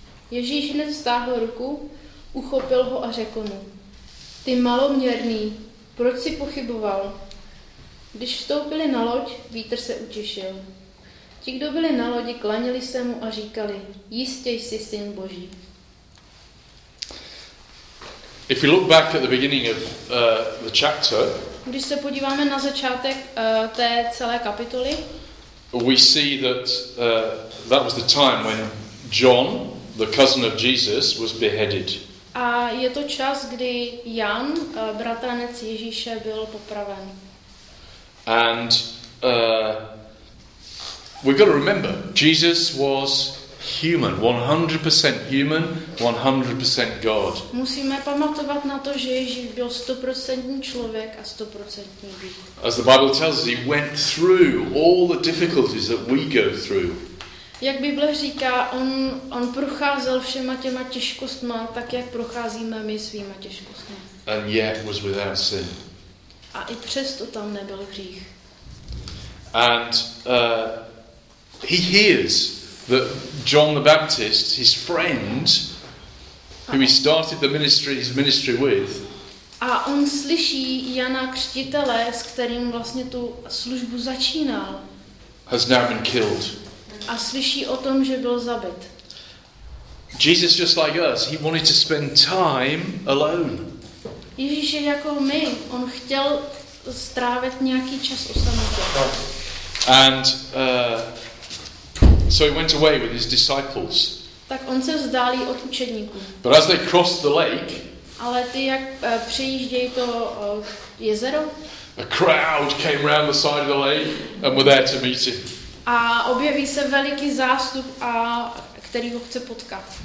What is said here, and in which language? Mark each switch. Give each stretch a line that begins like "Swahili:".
Czech: Ježíš hned stáhl ruku, uchopil ho a řekl mu, ty maloměrný, proč si pochyboval? Když vstoupili na loď, vítr se utišil. Ti, kdo byli na lodi, klanili se mu a říkali, jistě jsi syn Boží.
English: If you look back at the beginning of the chapter,
Czech: když se podíváme na začátek té celé kapitoly,
English: we see that that was the time when John, the cousin of Jesus, was beheaded.
Czech: A je to čas, kdy Jan, bratranec Ježíše, byl popraven.
English: And we've got to remember, Jesus was human, 100% human, 100% God.
Czech: Musíme pamatovat na to, že Ježíš byl 100% člověk a 100% Bůh.
English: As the Bible tells us, he went through all the difficulties that we go through.
Czech: Jak Bible říká, on procházel všema těma těžkostma, tak jak procházíme my svýma těžkostmi.
English: And yet was without sin.
Czech: A i přesto tam nebyl hřích.
English: And he hears that John the Baptist, his friend, who he started his ministry with.
Czech: A on slyší Jana Křtitele, s kterým vlastně tu službu začínal.
English: Has now been killed.
Czech: A slyší o tom, že byl zabit.
English: Jesus just like us, he wanted to spend time alone.
Czech: Ježíš je jako my, on chtěl strávit nějaký čas o samotě.
English: And so he went away with his disciples.
Czech: Tak on se vzdálí od učedníků.
English: But as they crossed the lake,
Czech: ale ty jak přejíždějí to jezero,
English: a crowd came round the side of the lake and were there to meet him.
Czech: A objeví se veliký zástup, a který ho chce potkat.